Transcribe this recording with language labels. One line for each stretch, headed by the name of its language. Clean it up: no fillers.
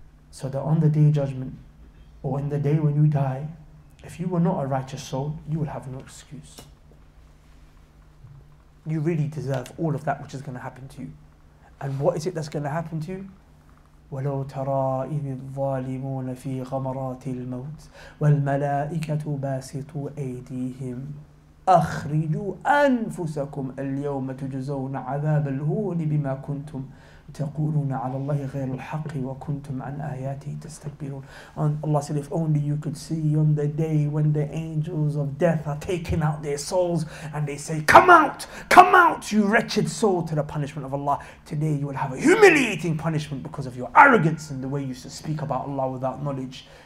English: So that on the Day of Judgment, or in the day when you die, if you were not a righteous soul, you would have no excuse. You really deserve all of that which is going to happen to you. And what is it that's going to happen to you?
Arabic: وَلَوْ تَرَىٰ إِذِ الظَّالِمُونَ فِي غَمَرَاتِ الْمَوْتِ وَالْمَلَائِكَةُ بَاسِطُوا أَيْدِيهِمْ أخرجوا أنفسكم اليوم تجزون عذاب الهون بما كنتم تقولون على الله غير الحق وكنتم عن آياته تستكبرون.
English: And Allah said, if only you could see on the day when the angels of death are taking out their souls and they say, come out, you wretched soul, to the punishment of Allah. Today you will have a humiliating punishment because of your arrogance and the way you used to speak about Allah without knowledge.